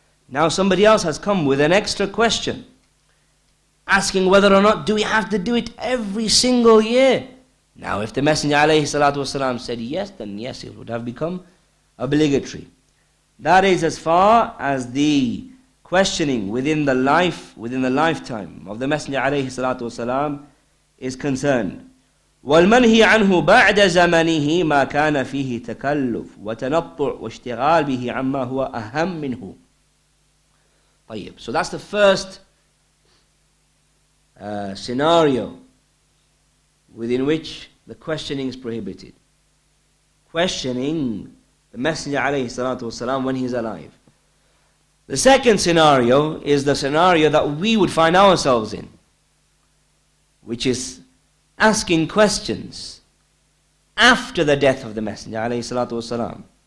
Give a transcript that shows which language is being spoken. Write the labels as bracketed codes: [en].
[en] Now somebody else has come with an extra question, asking whether or not do we have to do it every single year. Now if the Messenger alayhi salatu wasalam said yes, then yes, it would have become obligatory. That is as far as the questioning within the life, within the lifetime of the Messenger alayhi salatu wasalam is concerned. [ar] والمنهي عنه بعد زمنه ما كان فيه تكلف وتنطع واشتغال به عما هو أهم منه. طيب. [en] So that's the first scenario within which the questioning is prohibited. Questioning the Messenger alayhi salatu wasalam when he's alive. The second scenario is the scenario that we would find ourselves in, which is asking questions after the death of the Messenger alayhi salatu wasalam.